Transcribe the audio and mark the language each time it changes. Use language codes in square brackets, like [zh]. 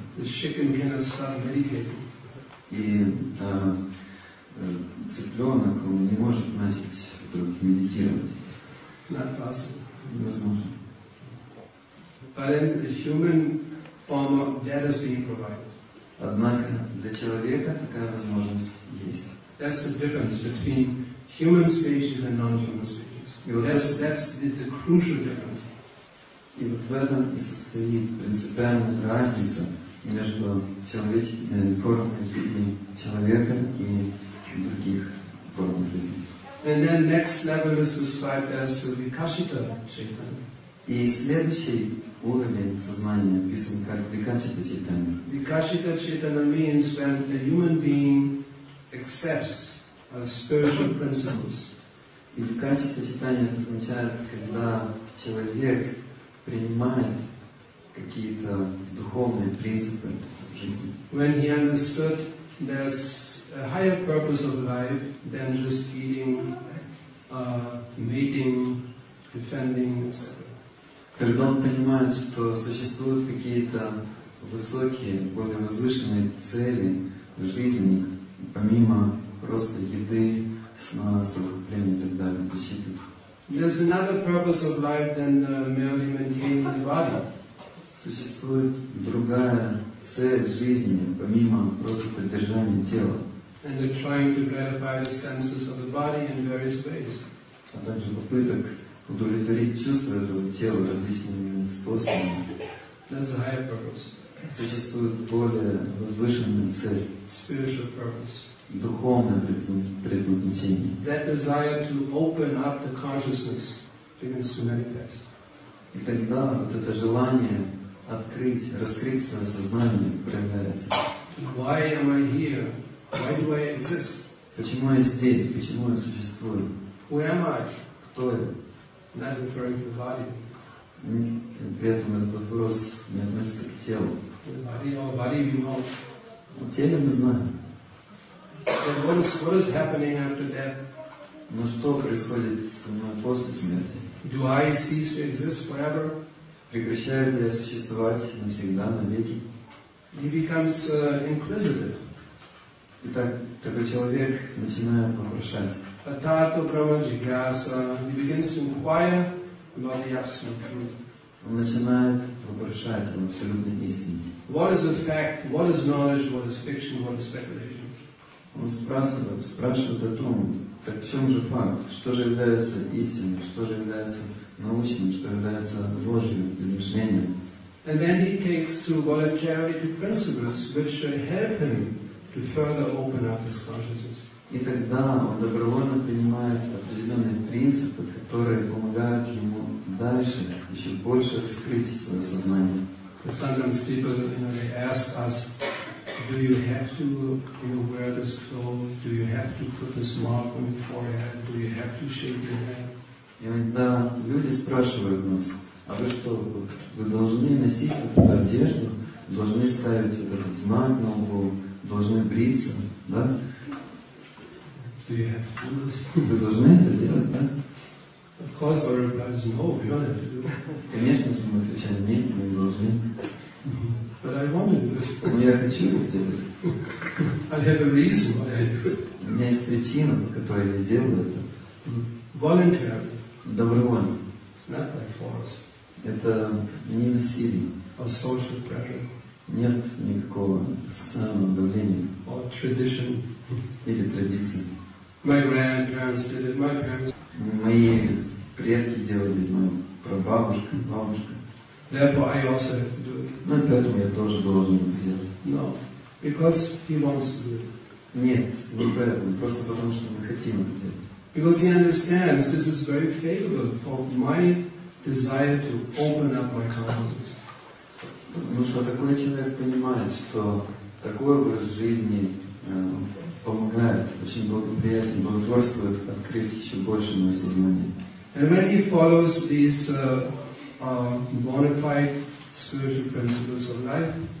[ru] И цыпленок он не может начать вдруг медитировать. Невозможно. Однако для человека такая возможность есть. [en] That's the difference between human species and non-human species. That's the crucial difference. [ru] И вот в этом и состоит принципиальная разница между человеческими формами жизни человека и других формами жизни. [en] And then next level is described as vikashita chaitanya. [ru] И следующий уровень сознания описан как vikashita chaitanya. [en] Vikashita chaitanya means when a human being accepts spiritual principles. [ru] И vikashita chaitanya означает, когда человек принимает какие-то духовные принципы в жизни. [en] When he understood there's a higher purpose of life than just eating, mating, defending, etc. [ru] Когда он понимает, что существуют какие-то высокие, более возвышенные цели в жизни, помимо просто еды, сна, самоуправления и так далее, защиты. [en] There's another purpose of life than merely maintaining the body. [ru] Существует другая цель жизни, помимо просто поддержания тела. [en] And they're trying to gratify the senses of the body in various ways. [ru] А также попыток удовлетворить чувства этого тела различными способами. [en] That's a higher purpose. [ru] Существует более возвышенная цель. [en] Spiritual purpose. [ru] Духовное предназначение. [en] That desire to open up the consciousness begins to manifest. [ru] И тогда вот это желание открыть, раскрыть свое сознание проявляется. [en] Why am I here? Why do I exist? [ru] Почему я здесь? Почему я существую? [en] Who am I? [ru] Кто я? [en] Not referring to the body. [ru] При этом этот вопрос не относится к телу. [en] Body we know. [ru] О теле мы знаем. [en] Then what is happening after death? [ru] Но что происходит со мной после смерти? [en] Do I cease to exist forever? [ru] Прекращаю ли я существовать навсегда, навеки? [en] He becomes inquisitive. [ru] Итак, такой человек начинает вопрошать. [sa] Атато брама джигаса. [en] He begins to inquire about the absolute truth. [ru] Он начинает вопрошать об абсолютной истине. [en] What is the fact? What is knowledge? What is fiction? What is speculation? [ru] Он спрашивает о том, так в чем же факт, что же является истиной, что же является научным, что является ложью, измышлением. [en] And then he takes to voluntarily to principles which should help him to further open up his consciousness. [ru] И тогда он добровольно принимает определенные принципы, которые помогают ему дальше еще больше раскрыть свое сознание. [en] And sometimes people, you know, they ask us, do you have to, you know, wear this clothes? Do you have to put this mark on your forehead? Do you have to shave your head? [ru] Иногда люди спрашивают нас, а вы что, вы должны носить эту одежду, должны ставить этот знак на лбу, должны бриться, да? [en] Do you have to do this? [ru] Вы должны это делать, да? [en] Of course, our reply is no, we don't have to do it. [ru] Конечно, мы отвечаем, нет, мы не должны. [en] But I want to do this. [ru] Но я хочу это делать. [en] I have a reason why I do it. [ru] У меня есть причина, по которой я делаю это. [en] Voluntarily. [ru] Добровольно. [en] It's not by force. [ru] Это не насилие. [en] Or social pressure. [ru] Нет никакого социального давления. [en] Or tradition. [ru] Или традиции. [en] My grandparents did it, my parents. [ru] Мои предки делали, моя прабабушка, бабушка. [en] Therefore I also have to do it. [ru] Ну и поэтому я тоже должен это делать. [en] No. Because he wants to do it. [ru] Нет, не поэтому, просто потому что мы хотим это делать. [en] Because he understands this is very favorable for my desire to open up my consciousness. [ru] Потому что такой человек понимает, что такой образ жизни помогает, очень благоприятен, благотворствует открыть еще больше мое сознание. [en] And when he follows these bona fide spiritual principles of life,